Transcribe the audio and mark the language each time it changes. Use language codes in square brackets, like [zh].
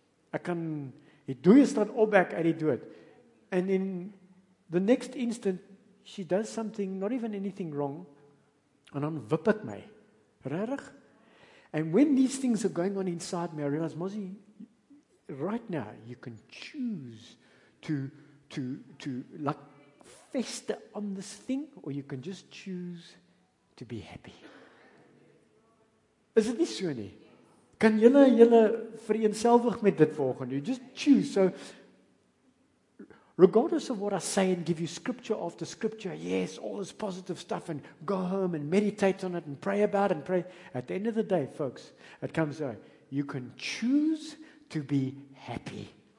[af] Ek kan, die dooie staan opwek uit die dood. [en] And in the next instant, she does something, not even anything wrong. [af] En dan wip ek my. Rarig. [en] And when these things are going on inside me, I realize, Mozzie, right now, you can choose to like fester on this thing, or you can just choose to be happy. [af] Is dit nie so nie? Kan julle vereenselwig met dit volgende? [en] Just choose. So, regardless of what I say and give you scripture after scripture, yes, all this positive stuff, and go home and meditate on it and pray about it and pray. At the end of the day, folks, it comes out. You can choose to be happy.